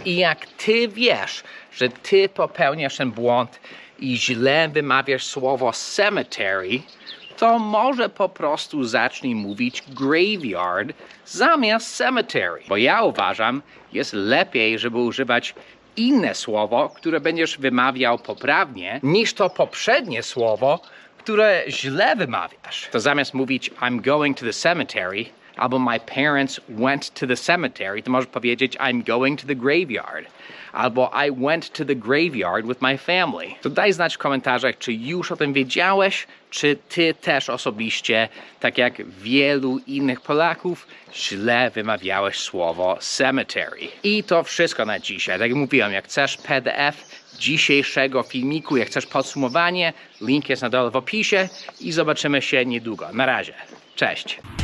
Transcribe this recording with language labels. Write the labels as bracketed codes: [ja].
[pl] I jak ty wiesz, że ty popełniasz ten błąd i źle wymawiasz słowo cemetery, to może po prostu zacznij mówić graveyard zamiast cemetery. Bo ja uważam, jest lepiej, żeby używać inne słowo, które będziesz wymawiał poprawnie, niż to poprzednie słowo, które źle wymawiasz. To zamiast mówić [en] I'm going to the cemetery, [pl] albo [en] my parents went to the cemetery, [pl] to możesz powiedzieć [en] I'm going to the graveyard. [pl] Albo [en] I went to the graveyard with my family. [pl] To daj znać w komentarzach, czy już o tym wiedziałeś, czy ty też osobiście, tak jak wielu innych Polaków, źle wymawiałeś słowo cemetery. I to wszystko na dzisiaj. Tak jak mówiłem, jak chcesz PDF dzisiejszego filmiku, jak chcesz podsumowanie, link jest na dole w opisie i zobaczymy się niedługo. Na razie. Cześć.